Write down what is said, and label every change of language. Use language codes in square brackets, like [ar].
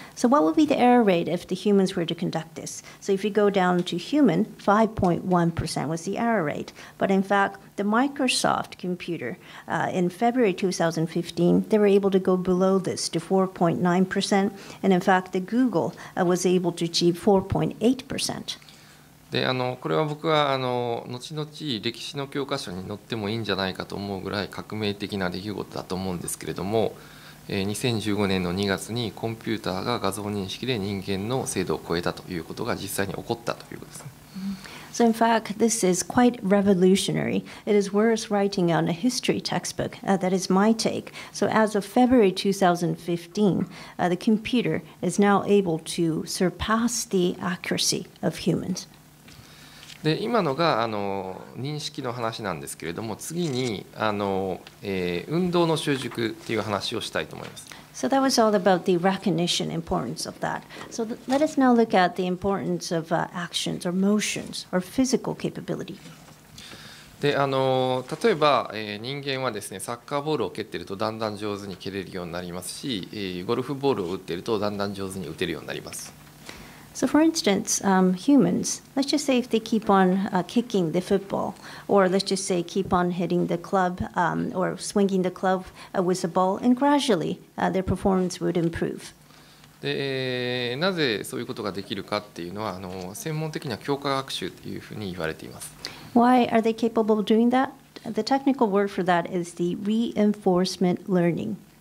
[en] So what would be the error rate if the humans were to conduct this? So if you go down to human, 5.1% was the error rate. But in fact, the Microsoft computer in February 2015, they were able to go below this to 4.9%. And in fact, the Google was able to achieve 4.8%. [ja] でこれは僕は後々歴史の教科書に載ってもいいんじゃないかと思うぐらい革命的な出来事だと思うんですけれども、2015年の2月にコンピューターが画像認識で人間の精度を超えたということが実際に起こったということですね。 [en] So in fact, this is quite revolutionary. It is worth writing on a history textbook. That is my take. So as of February 2015, the computer is now able to surpass the accuracy of humans. [ja] で今のがあの認識の話なんですけれども、次にあの、運動の習熟という話をしたいと思います。 [en] So that was all about the recognition importance of that. So let us now look at the importance of actions or motions or physical capability. [ja] で、あの、例えば、人間はですね、サッカーボールを蹴っているとだんだん上手に蹴れるようになりますし、ゴルフボールを打っているとだんだん上手に打てるようになります。 [en] So for instance, humans, let's just say if they keep on kicking the football, or let's just say keep on hitting the club, or swinging the club with the ball, and gradually their performance would improve. [ja] で、なぜそういうことができるかっていうのは、あの、専門的には強化学習というふうに言われています。 [en] Why are they capable of doing that? The technical word for that is the reinforcement learning.